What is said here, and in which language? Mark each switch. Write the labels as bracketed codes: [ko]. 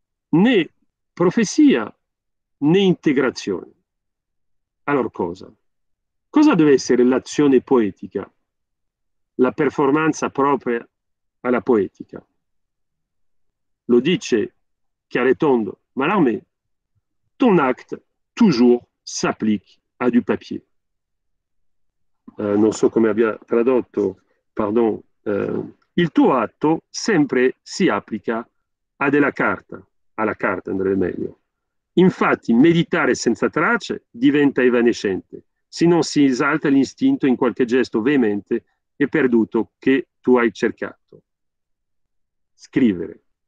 [it] Né profezia né integrazione. Allora cosa? Cosa deve essere l'azione poetica, la performance propria alla poetica? Lo dice chiaro e tondo [fr] Mallarmé: ton acte toujours s'applique à du papier. [it] Non so come abbia tradotto, pardon, il tuo atto sempre si applica a della carta, alla carta andrebbe meglio. Infatti, meditare senza tracce diventa evanescente, se non si esalta l'istinto in qualche gesto veemente e perduto che tu hai cercato. Scrivere.